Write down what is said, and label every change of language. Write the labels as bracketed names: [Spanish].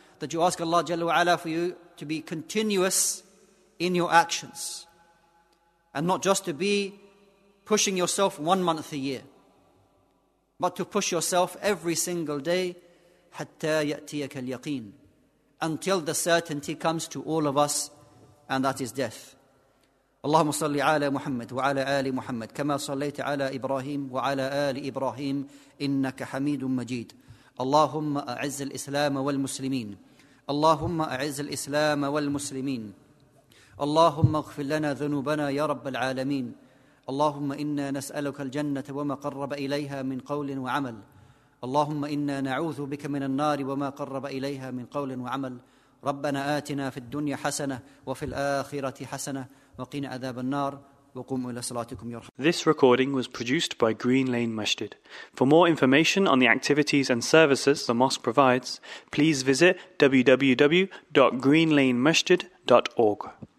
[English] that you ask Allah Jalla wa'ala for you to be continuous in your actions and not just to be pushing yourself 1 month a year, but to push yourself every single day, hatta ya'tiyaka al-yaqeen, until the certainty comes to all of us, and that is death. [Arabic] اللهم صل على محمد وعلى آل محمد كما صليت على إبراهيم وعلى آل إبراهيم إنك حميد مجيد. اللهم أعز الإسلام والمسلمين. اللهم أعز الإسلام والمسلمين. اللهم اغفر لنا ذنوبنا يا رب العالمين. اللهم إنا نسألك الجنة وما قرب إليها من قول وعمل. اللهم إنا نعوذ بك من النار وما قرب إليها من قول وعمل. ربنا آتنا في الدنيا حسنة وفي الآخرة حسنة وقنا عذاب النار وقوم إلى صلاتكم يرحم. [English] This recording was produced by Green Lane Masjid. For more information on the activities and services the mosque provides, please visit www.greenlanemasjid.org.